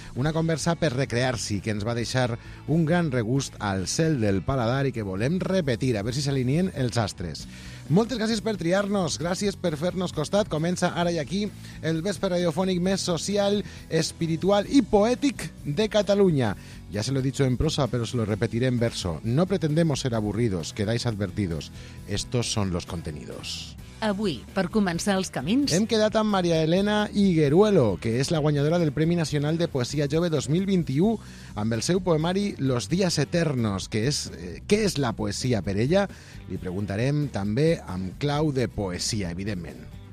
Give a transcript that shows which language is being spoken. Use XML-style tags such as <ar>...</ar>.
<ca>Una conversa per recrear-s'hi que ens va deixar un gran regust al cel del paladar i que volem repetir, a veure si s'alineen els astres. Moltes gràcies per triar-nos, gràcies per fer-nos costat. Comença ara i aquí el vesper radiofònic més social, espiritual i poètic de Catalunya.</ca> <es>Ya se lo he dicho en prosa, pero se lo repetiré en verso. No pretendemos ser aburridos, quedáis advertidos. Estos son los contenidos.</es> <ca>Avui, per començar els camins... Hem quedat amb María Elena Higueruelo, que és la guanyadora del Premi Nacional de Poesia Jove 2021, amb el seu poemari Los Días Eternos, que és... què és la poesia per ella? Li preguntarem també amb clau de poesia, evidentment.</ca>